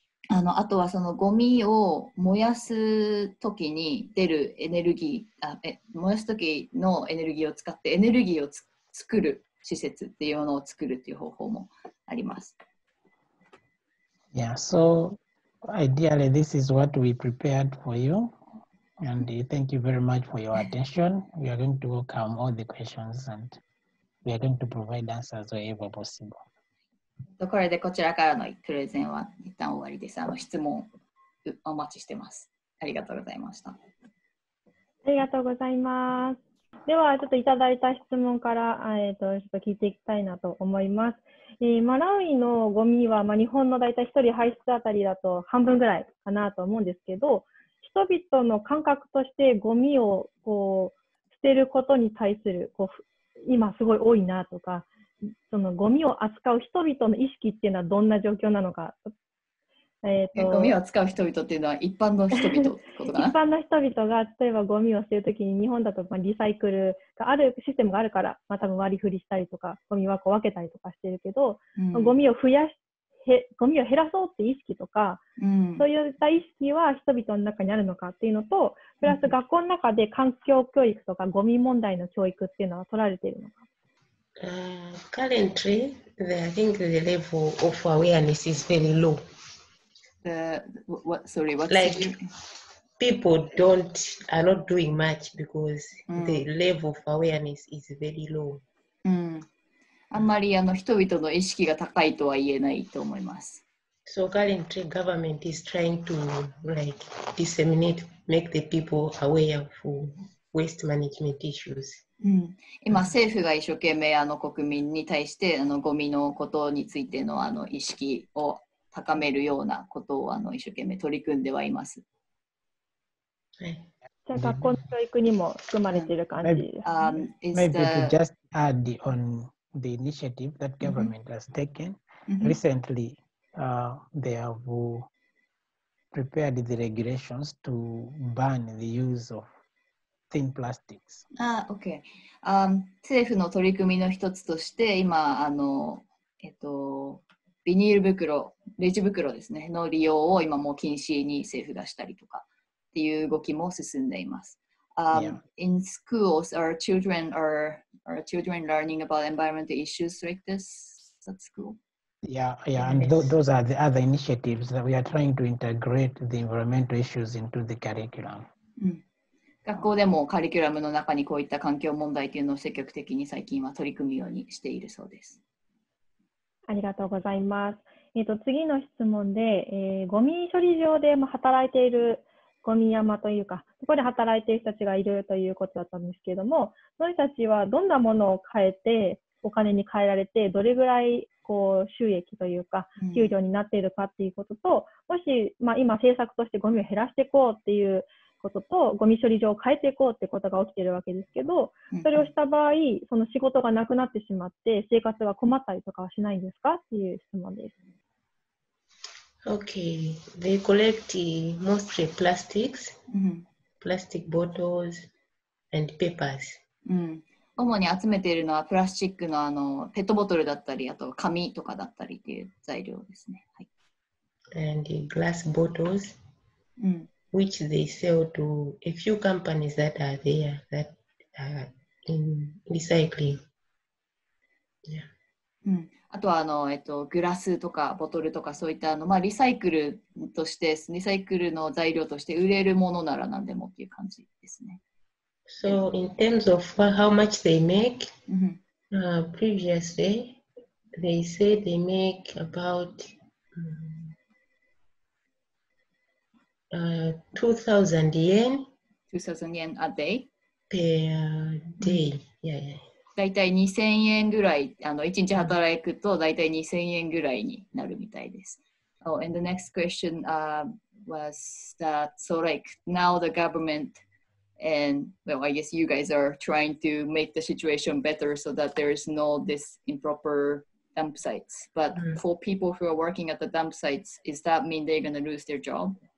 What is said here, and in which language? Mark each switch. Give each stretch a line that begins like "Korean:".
Japanese: あとはそのゴミを燃やすときに出るエネルギー、燃やすときのエネルギーを使ってエネルギーを作る施設っていうのを作るっていう方法もあります。
English: Yeah, so ideally this is what we prepared for you. And thank you very much for your attention. We are going to welcome all the questions and we are going to provide answers wherever possible.
Japanese: これでこちらからのプレゼンは一旦終わりです。質問お待ちしてます。ありがとうございました。ありがとうございます。ではちょっといただいた質問からちょっと聞いていきたいなと思います。マラウイのゴミは、日本の大体1人排出あたりだと半分ぐらいかなと思うんですけど、人々の感覚としてゴミをこう捨てることに対するこう今すごい多いなとか、そのゴミを扱う人々の意識っていうのはどんな状況なのか。ゴミを扱う人々っていうのは一般の人々ってことかな。一般の人々が例えばゴミを捨てるときに、日本だとリサイクルがあるシステムがあるから、多分割り振りしたりとかゴミ箱分けたりとかしてるけど、ゴミを増やしゴミを減らそうって意識とか、そういった意識は人々の中にあるのかっていうのと、プラス学校の中で環境教育とかゴミ問題の教育っていうのは取られているのか。
English: Currently, I think the level of awareness is very low. What like people don't are not doing much because、うん、the level of awareness is very low、
Japanese: うん、あんまりあの人々の意識が高いとは言えないと思います。
English: So currently government is trying to like disseminate make the people aware of waste management issues、
Japanese: うん、今政府が一生懸命あの国民に対してあのゴミのことについて の, あの意識を高めるようなことをあの一生懸命取り組んではいます。じゃあ学校の教育にも含まれている感じです。
English: Maybe, maybe to just add on the initiative that government has taken recently, they have prepared the regulations to ban the use of thin plastics.
Japanese: ああ、OK。政府の取り組みの一つとして今あのビニール袋、レジ袋ですね、の利用を今もう禁止に政府がしたりとかっていう動きも進んでいます。
English: Yeah. In schools, are children learning about environmental issues like this at school? Yeah, and those are the other initiatives that we are trying to integrate the environmental issues into the curriculum.、
Japanese: うん、学校でもカリキュラムの中にこういった環境問題というのを積極的に最近は取り組むようにしているそうです。ありがとうございます。次の質問で、ゴミ処理場で働いているゴミ山というか、そこで働いている人たちがいるということだったんですけれども、その人たちはどんなものを変えて、お金に変えられて、どれぐらいこう収益というか、給料になっているかということと、うん、もし、まあ、今政策としてゴミを減らしていこうということと、ゴミ処理場を変えていこうということが起きているわけですけど、それをした場合、その仕事がなくなってしまって、生活が困ったりとかはしないんですかという質問です。
English: Okay, they collect mostly plastics,、 mm-hmm. plastic bottles, and papers.、
Japanese: うん、主に集めているのはプラスチック の, あのペットボトルだったり、あと紙とかだったりという材料ですね。はい、
English: and glass bottles,、うん、 which they sell to a few companies that are there that are in recycling. Yeah.、
Japanese: うん、あとはあの、グラスとかボトルとかそういったあの、まあ、リサイクルとして、リサイクルの材料として売れるものなら何でもっていう感じですね。
English: So in terms of how much they make,、 mm-hmm. Previously they say they make about、2,000 yen a day? Per day,、mm-hmm. yeah, yeah.
Japanese: だいたい2000円ぐらい、あの1日働くとだいたい2000円ぐらいになるみたいです。
English: Oh, and the next question、was that, so like, now the government and, well, I guess you guys are trying to make the situation better so that there is no this improper dump sites. But、mm-hmm. for people who are working at the dump sites, is that mean they're going to lose their job?